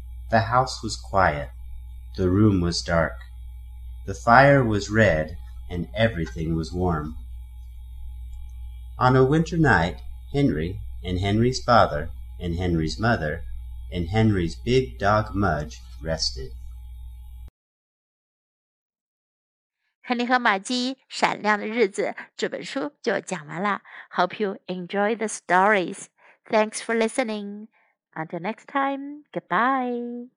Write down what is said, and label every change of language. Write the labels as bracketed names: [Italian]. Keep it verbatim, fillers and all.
[English] The house was quiet. The room was dark. The fire was red, and everything was warm. On a winter night, Henry and Henry's father and Henry's mother and Henry's big dog Mudge rested. [Chinese] 亨利和玛姬闪亮的日子这本书就讲完了。 [English] Hope you enjoy the stories. Thanks for listening. Until next time, goodbye.